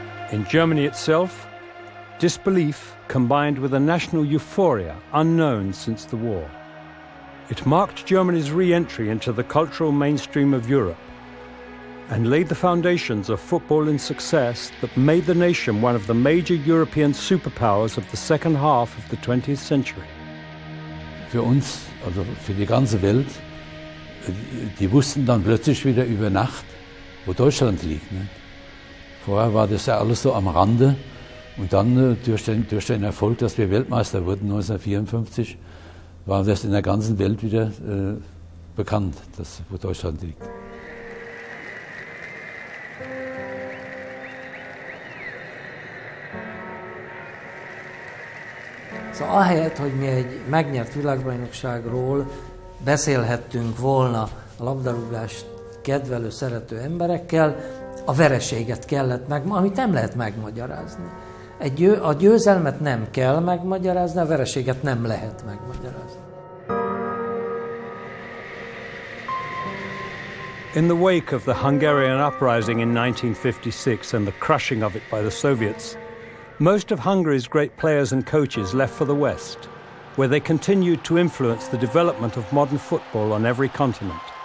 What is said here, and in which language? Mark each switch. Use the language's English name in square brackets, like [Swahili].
[English] In Germany itself, disbelief combined with a national euphoria unknown since the war. It marked Germany's re-entry into the cultural mainstream of Europe and laid the foundations of football and success that made the nation one of the major European superpowers of the second half of the 20th century. [German] Für uns, also für die ganze Welt, die wussten dann plötzlich wieder über Nacht, wo Deutschland liegt. Ne? Vorher war das ja alles so am Rande. Und dann durch den Erfolg, dass wir Weltmeister wurden 1954, war das in der ganzen Welt wieder bekannt, dass wo Deutschland liegt. [Hungarian] So, ahelyett, hogy mi egy megnyert világbajnokságról beszélhettünk volna a labdarúgást kedvelő, szerető emberekkel, a vereséget kellett meg, amit nem lehet megmagyarázni. A győzelmet nem kell megmagyarázni, a vereséget nem lehet megmagyarázni. [English] In the wake of the Hungarian uprising in 1956 and the crushing of it by the Soviets, most of Hungary's great players and coaches left for the West, where they continued to influence the development of modern football on every continent.